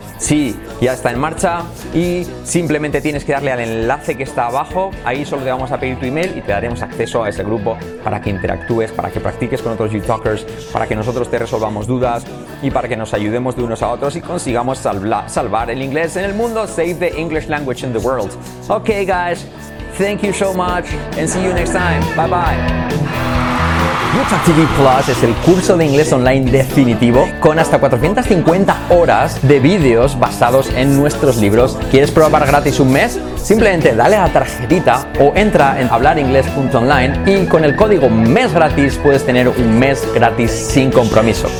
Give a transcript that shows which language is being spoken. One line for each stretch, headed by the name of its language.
Spanish: Sí, ya está en marcha. Y simplemente tienes que darle al enlace que está abajo. Ahí solo te vamos a pedir tu email y te daremos acceso a ese grupo para que interactúes, para que practiques con otros YouTalkers, para que nosotros te resolvamos dudas y para que nos ayudemos de unos a otros y consigamos salvar el inglés en el mundo.
English: Save the English language in the world. Ok, guys. Thank you so much and see you next time. Bye bye.
Spanish: YouTalk TV Plus es el curso de inglés online definitivo con hasta 450 horas de vídeos basados en nuestros libros. ¿Quieres probar gratis un mes? Simplemente dale a la tarjetita o entra en hablaringles.online y con el código MES GRATIS puedes tener un mes gratis sin compromiso.